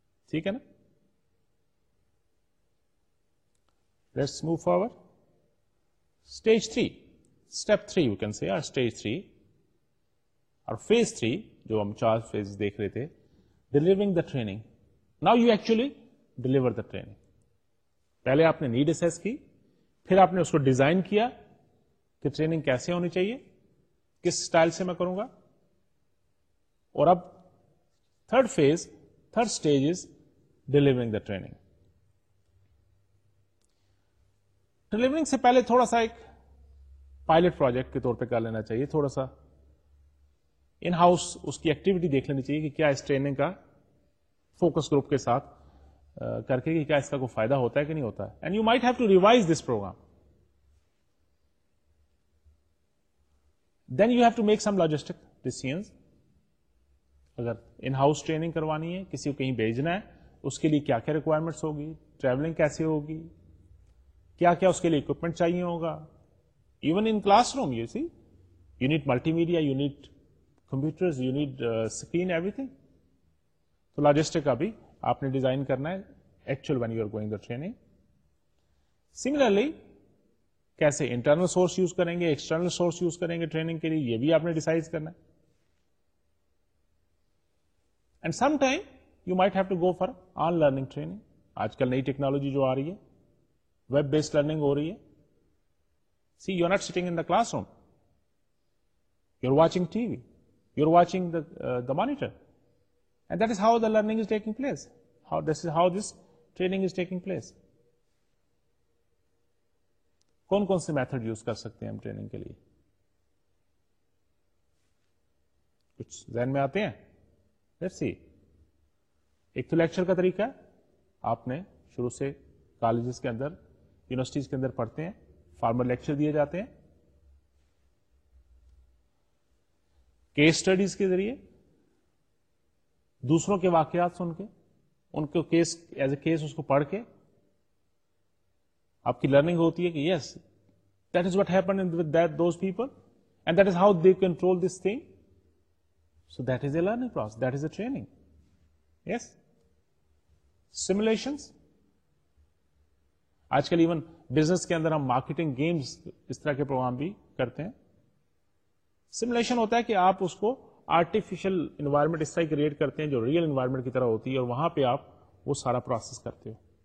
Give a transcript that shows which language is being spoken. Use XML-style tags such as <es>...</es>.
<ur>ٹھیک ہے نا,</ur> <en>Let's move forward. Stage three, step three you can say, stage three اور phase three,</en> <ur>جو ہم چار فیز دیکھ رہے تھے,</ur> <en>Delivering the training. Now you actually deliver the training.</en> <ur>پہلے آپ نے نیڈ اسیس کی, پھر آپ نے اس کو ڈیزائن کیا کہ ٹریننگ کیسے ہونی چاہیے, کس سٹائل سے میں کروں گا, اور اب third phase,</ur> <en>Third stage is delivering the training.</en> <ur>Delivering سے پہلے تھوڑا سا ایک پائلٹ پروجیکٹ کے طور پہ کر لینا چاہیے, تھوڑا سا ان ہاؤس اس کی ایکٹیویٹی دیکھ لینی چاہیے کہ کیا اس ٹریننگ کا, فوکس گروپ کے ساتھ کر کے, کہ کیا اس کا کوئی فائدہ ہوتا ہے کہ نہیں ہوتا ہے.</ur> <en>And you might have to revise this program. Then you have to make some logistic decisions.</en> <ur>اگر ان ہاؤس ٹریننگ کروانی ہے, کسی کو کہیں بھیجنا ہے, اس کے لیے کیا کیا ریکوائرمنٹس ہوگی, ٹریولنگ کیسے ہوگی, کیا کیا اس کے لیے اکوپمنٹ چاہیے ہوگا.</ur> <en>Even in classroom you see you need multimedia, you need computer, you need screen, everything.</en> <ur>تو لاجسٹک کا بھی آپ نے ڈیزائن کرنا ہے actual</ur> <en>When you are going the training.</en> <ur>Similarly کیسے انٹرنل سورس یوز کریں گے, ایکسٹرنل سورس یوز کریں گے ٹریننگ کے لیے, یہ بھی آپ نے ڈیسائڈ کرنا ہے.</ur> <en>And some time you might have to go for on learning training.</en> <ur>آج کل نئی ٹیکنالوجی جو آ رہی ہے, ویب بیسڈ لرننگ ہو رہی ہے.</ur> <en>See you are not sitting in the classroom, you are watching T V, you are watching the monitor, and that is how the learning is taking place, how this is how this training is taking place.</en> <ur>کون کون سے method use کر سکتے ہیں ہم training کے لیے, کچھ ذہن میں آتے ہیں؟</ur> <en>Let's see.</en> <ur>ایک تو لیکچر کا طریقہ ہے, آپ نے شروع سے کالجز کے اندر, یونیورسٹیز کے اندر پڑھتے ہیں, فارمل لیکچر دیے جاتے ہیں, کیس اسٹڈیز کے ذریعے دوسروں کے واقعات سن کے, ان کو کیس ایز اے کیس اس کو پڑھ کے آپ کی لرننگ ہوتی ہے کہ</ur> <en>Yes that is what happen with that those people and that is how they control this thing. So that is a learning process, that is a training. Yes, simulations.</en> <ur>آج کل ایون بزنس کے اندر ہم marketing games, اس طرح کے programme بھی کرتے ہیں. Simulation ہوتا ہے کہ آپ اس کو آرٹیفیشل انوائرمنٹ اس طرح کریٹ کرتے ہیں جو ریئل انوائرمنٹ کی طرح ہوتی ہے, اور وہاں پہ آپ وہ سارا پروسیس کرتے ہو.</ur>